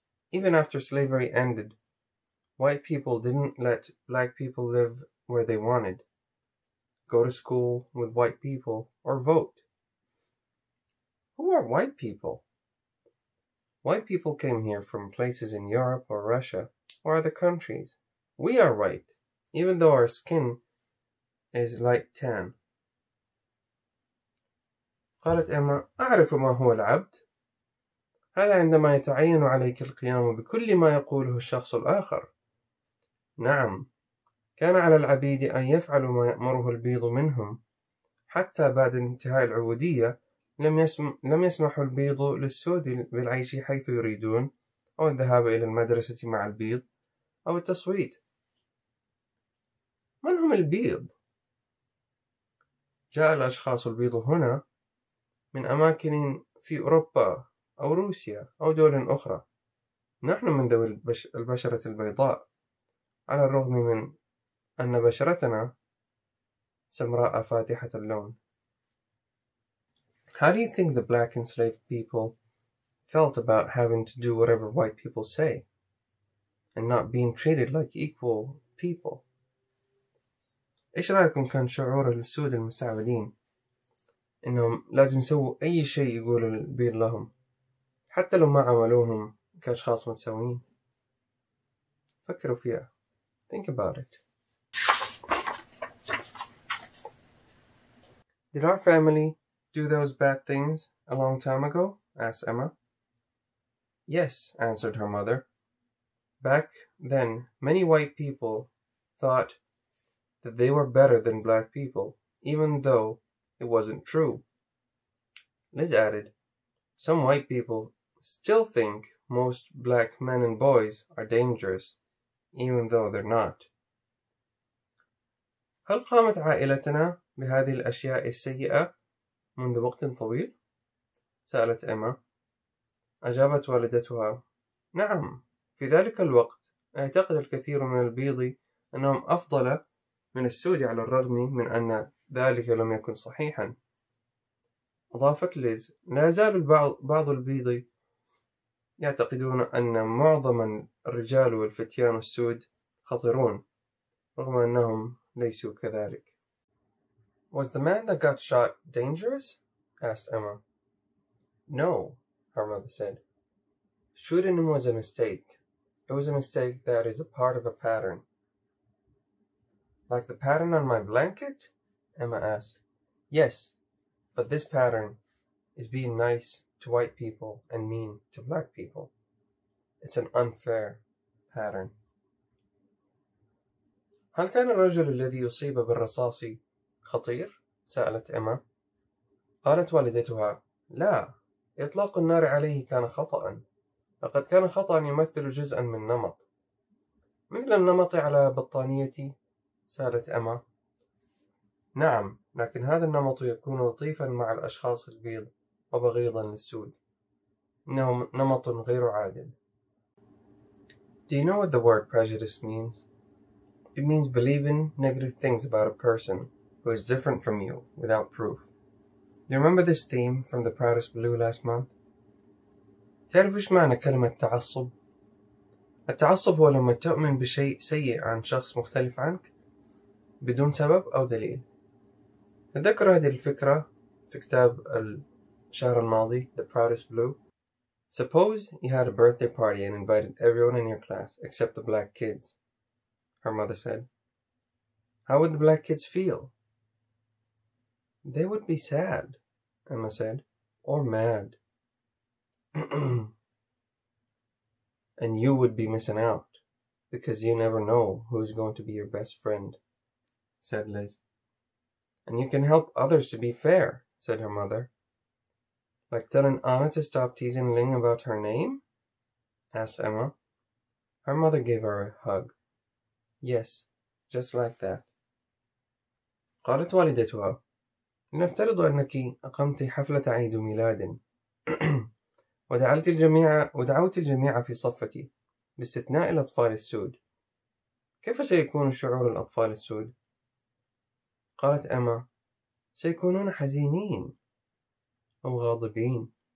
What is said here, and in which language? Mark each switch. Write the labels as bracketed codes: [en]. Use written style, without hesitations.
[en] Even after slavery ended, white people didn't let black people live where they wanted, go to school with white people, or vote." "Who are white people?" "White people came here from places in Europe or Russia, or other countries. We are white, even though our skin is light tan." [ar] قالت إيما، "أعرف ما هو العبد. هذا عندما يتعين عليك القيام بكل ما يقوله الشخص الآخر." "نعم، كان على العبيد أن يفعل ما يأمره البيض منهم. حتى بعد انتهاء العبودية، لم يسمحوا البيض للسود بالعيش حيث يريدون، أو الذهاب إلى المدرسة مع البيض، أو التصويت." "من هم البيض؟" "جاء الأشخاص البيض هنا من أماكن في أوروبا أو روسيا أو دول أخرى. نحن من ذوي البشرة البيضاء، على الرغم من أن بشرتنا سمراء فاتحة اللون." [en] "How do you think the black enslaved people felt about having to do whatever white people say and not being treated like equal people?" [ar] "إيش رأيكم كان شعور السود المستعبدين إنهم لازم يسووا أي شيء يقول البيض لهم حتى لو ما عملوهم كأشخاص متساويين؟" فكروا فيها. [en] Think about it. "Did our family do those bad things a long time ago?" asked Emma. "Yes," answered her mother. "Back then, many white people thought that they were better than black people, even though it wasn't true. Liz added, some white people still think most black men and boys are dangerous, even though they're not. [ar] هل قامت عائلتنا بهذه الأشياء السيئة منذ وقت طويل؟ سألت إما. أجابت والدتها، نعم، في ذلك الوقت اعتقد الكثير من البيض أنهم أفضل من السود على الرغم من أن ذلك لم يكن صحيحا. أضافت ليز، لا زال بعض البيض يعتقدون أن معظم الرجال والفتيان السود خطرون، رغم أنهم ليسوا كذلك. [en] Was the man that got shot dangerous? Asked Emma. No, her mother said. Shooting him was a mistake. It was a mistake that is a part of a pattern. Like the pattern on my blanket? Emma asked. Yes, but this pattern is being nice to white people and mean to black people. It's an unfair pattern. [ar] هل كان الرجل الذي يصيب بالرصاص خطير؟ سألت إما. قالت والدتها، لا، إطلاق النار عليه كان خطأ، لقد كان خطأ يمثل جزءا من نمط. مثل النمط على بطانيتي؟ سألت إما. نعم، لكن هذا النمط يكون لطيفا مع الأشخاص البيض وبغيضا للسود. إنه نمط غير عادل. [en] Do you know what the word prejudice means? It means believing negative things about a person who is different from you without proof. Do you remember this theme from the Proudest Blue last month? [ar] تعرف إيش معنى كلمة تعصب؟ التعصب هو لما تؤمن بشيء سيء عن شخص مختلف عنك بدون سبب أو دليل. تذكر هذه الفكرة في كتاب الشهر الماضي The Proudest Blue. [en] Suppose you had a birthday party and invited everyone in your class except the black kids, her mother said. How would the black kids feel? They would be sad, Emma said, or mad. And you would be missing out, because you never know who's going to be your best friend, said Liz. And you can help others to be fair, said her mother. Like telling Anna to stop teasing Ling about her name? Asked Emma. Her mother gave her a hug. Yes, just like that. [ar] قالت والدتها لنفترض أنك أقمت حفلة عيد ميلاد ودعوت الجميع في صفك باستثناء الأطفال السود. كيف سيكون شعور الأطفال السود؟ قالت أما سيكونون حزينين أو غاضبين.